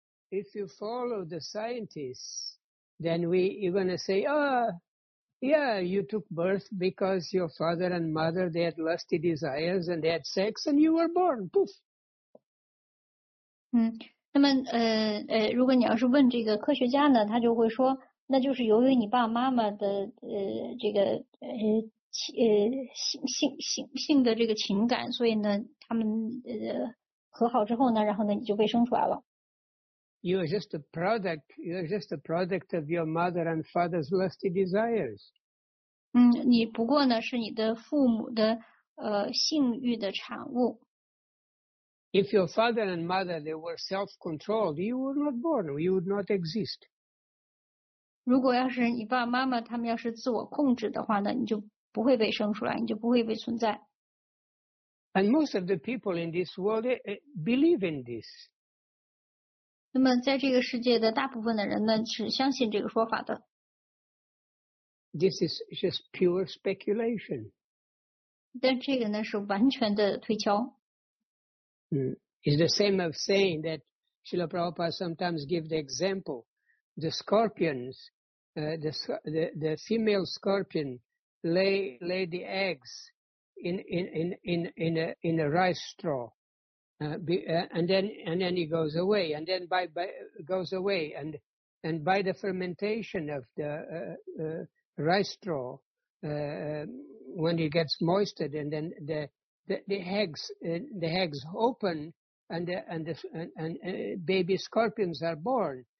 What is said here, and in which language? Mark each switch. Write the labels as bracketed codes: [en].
[en] If you follow the scientists, then you're gonna say, you took birth because your father and mother they had lusty desires and they had sex and you were born. Poof. [zh] 那么如果你要是问这个科学家呢，他就会说。那就是由于你爸妈妈的性的这个情感，所以呢，他们和好之后呢，然后呢，你就被生出来了。 [en] You are just a product. You are just a product of your mother and father's lusty desires. [zh] 你不过呢是你的父母的性欲的产物。 [en] If your father and mother they were self-controlled, you were not born. You would not exist. [zh] 如果要是你爸爸妈妈他们要是自我控制的话呢，你就不会被生出来，你就不会被存在。 [en] And most of the people in this world believe in this. [zh] 那么在这个世界的大部分的人呢，是相信这个说法的。 [en] This is just pure speculation. [zh] 但这个呢，是完全的推敲。 [en] It's the same of saying that Srila Prabhupada sometimes gives the example. The scorpions, the female scorpion lay the eggs in a rice straw, and then it goes away, and then goes away, and by the fermentation of the rice straw, when it gets moisted, and then the eggs open, and baby scorpions are born.